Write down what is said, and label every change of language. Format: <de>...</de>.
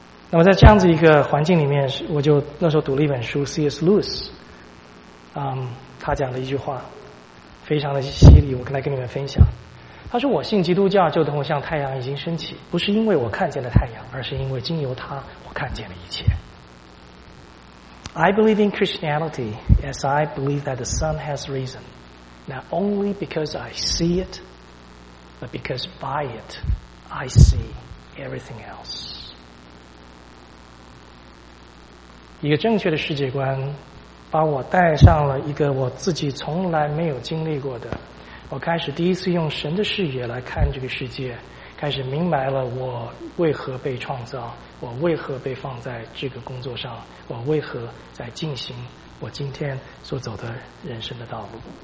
<zh>那么在这样子一个环境里面，我就那时候读了一本书 C.S. Lewis、他讲的一句话非常的犀利，我来跟你们分享。他说，我信基督教就等于像太阳已经升起，不是因为我看见了太阳，而是因为经由它我看见了一切。</zh> <en>I believe in Christianity as I believe that the sun has risen, not only because I see it, but because by it I see everything else。</en> <zh>一个正确的世界观把我带上了一个我自己从来没有经历过的，我开始第一次用神的视野来看这个世界，开始明白了我为何被创造，我为何被放在这个工作上，我为何在进行我今天所走的人生的道路。</zh>